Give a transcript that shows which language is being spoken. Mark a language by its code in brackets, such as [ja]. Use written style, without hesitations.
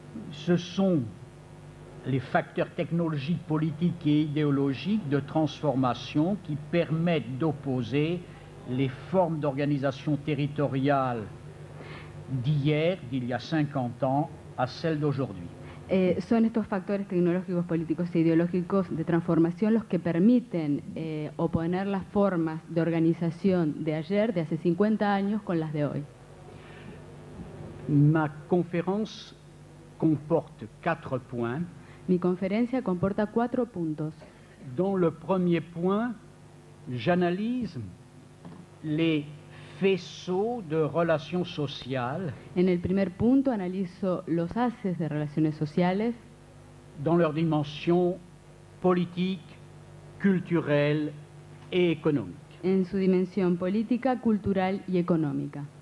[fr] Ce sont les facteurs technologiques, politiques et idéologiques de transformation qui permettent d'opposer les formes d'organisation territoriale d'hier, d'il y a 50 ans, à celle d'aujourd'hui. [es] Son estos factores tecnológicos, políticos e ideológicos de transformación los que permiten oponer las formas de organización de ayer, de hace 50 años, con las de hoy. [fr] Ma conférence comporte 4 points. [es] Mi conferencia comporta 4 puntos. [fr] Dans le premier point, j'analyse les faisceaux de relations sociales. [es] En el primer punto analizo los haces de relaciones sociales [fr] dans leur dimension politique, culturelle et économique. [es] En su dimensión política, cultural y económica.